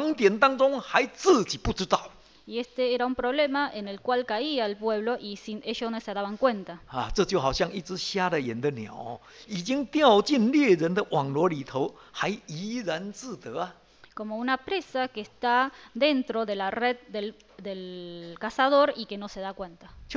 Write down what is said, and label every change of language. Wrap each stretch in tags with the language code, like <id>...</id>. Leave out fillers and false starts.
<zh>而这个错误正是以色列百姓落在信仰的盲点当中还自己不知道。</zh> <es>Y este era un problema en el cual caía el pueblo y ellos no se daban cuenta.</es> <zh>这就好像一只瞎了眼的鸟已经掉进猎人的网罗里头还怡然自得啊。</zh> <es>como una presa que está dentro de la red del cazador y que no se da cuenta.</es>